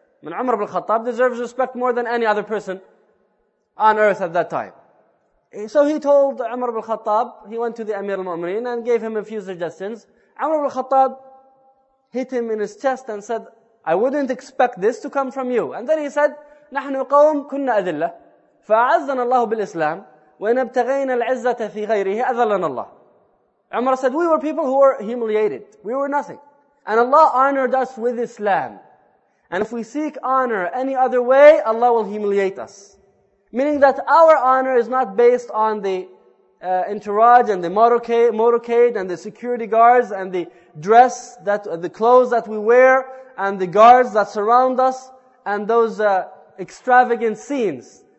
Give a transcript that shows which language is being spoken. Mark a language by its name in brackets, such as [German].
[English] I mean, Umar al-Khattab deserves respect more than any other person on earth at that time. So he told Umar al-Khattab, he went to the Amir al-Mu'mineen and gave him a few suggestions. Umar al-Khattab hit him in his chest and said, I wouldn't expect this to come from you. And then he said, [Arabic] نحن قوم كنا أذلة فأعزنا الله بالإسلام ونبتغينا العزة في غيره أذلنا الله. [English] Umar said, we were people who were humiliated. We were nothing. And Allah honored us with Islam. And if we seek honor any other way, Allah will humiliate us. Meaning that our honor is not based on the entourage and the motorcade and the security guards and the dress, that the clothes that we wear and the guards that surround us and those extravagant scenes.